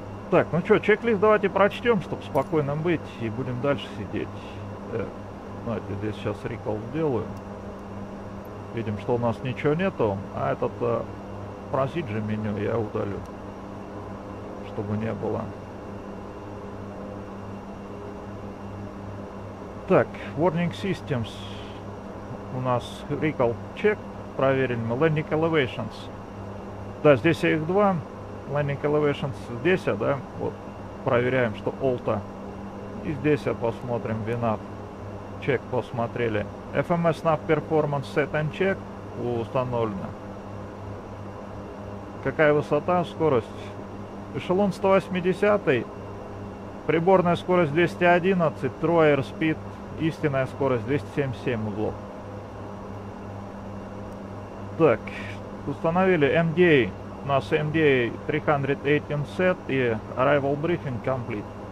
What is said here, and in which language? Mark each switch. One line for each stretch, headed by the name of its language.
Russian: Так, ну что, чек-лист давайте прочтем, чтобы спокойным быть, и будем дальше сидеть. Давайте здесь сейчас recall сделаю. Видим, что у нас ничего нету, а этот procedure меню я удалю, чтобы не было. Так, warning systems. У нас recall check, проверили мы.
English: Landing elevations.
Russian: Да, здесь я их два. Landing Elevations здесь, да, вот, проверяем, что Alta, и здесь посмотрим, VNAV, чек посмотрели,
English: FMS NAV Performance Set and Check
Russian: установлено, какая высота, скорость, эшелон 180, приборная скорость 211, True Airspeed, истинная скорость 277 узлов. Так, установили MDA. У нас
English: MDA 318 set и arrival briefing complete.